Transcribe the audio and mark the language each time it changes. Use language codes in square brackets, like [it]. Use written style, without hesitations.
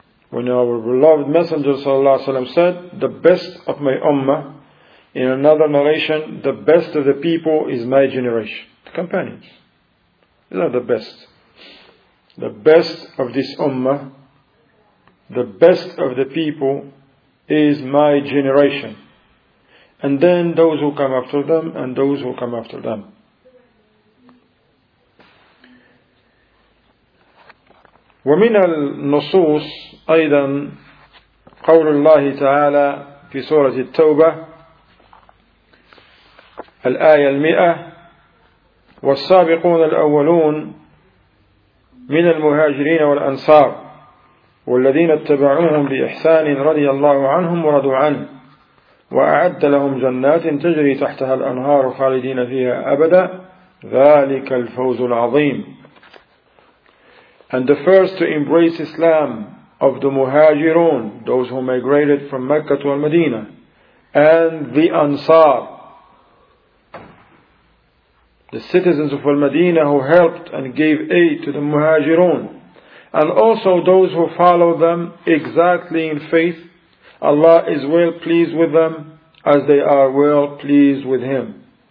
[en] When our beloved Messenger ﷺ said, the best of my ummah, in another narration, the best of the people is my generation, the companions. These are the best. The best of this ummah, the best of the people is my generation. And then those who come after them, and those who come after them. [ar] ومن النصوص أيضا قول الله تعالى في سورة التوبة الآية 100 والسابقون الأولون من المهاجرين والأنصار والذين اتبعوهم بإحسان رضي الله عنهم ورضوا عنه وأعد لهم جنات تجري تحتها الأنهار خالدين فيها أبدا ذلك الفوز العظيم. [en] And the first to embrace Islam of the Muhajirun, those who migrated from Mecca to Al-Madinah, and the Ansar, the citizens of Al-Madinah who helped and gave aid to the Muhajirun, and also those who follow them exactly in faith, Allah is well pleased with them as they are well pleased with Him.